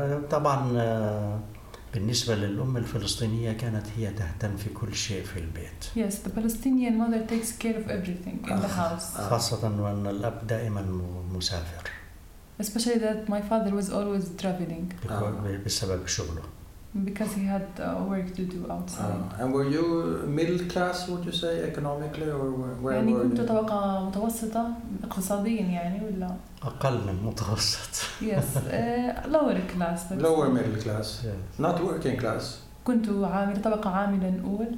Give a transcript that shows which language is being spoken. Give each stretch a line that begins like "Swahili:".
Arabic: طبعا بالنسبة للأم الفلسطينية كانت هي تهتم في كل شيء في البيت.
English: Yes, the Palestinian mother takes care of everything in the house.
Arabic: خاصة وأن الأب دائما مسافر.
English: Especially that my father was always traveling.
Arabic: بسبب شغله.
English: Because he had work to do outside. And were you middle class, would you say, economically, or where
Arabic: يعني
English: were you?
Arabic: طبقة متوسطة اقتصاديا يعني ولا؟ أقل من متوسط.
English: Yes, lower class. Lower middle class. Yes. Not working class.
Arabic: كنت عاملة طبقة عاملة نقول.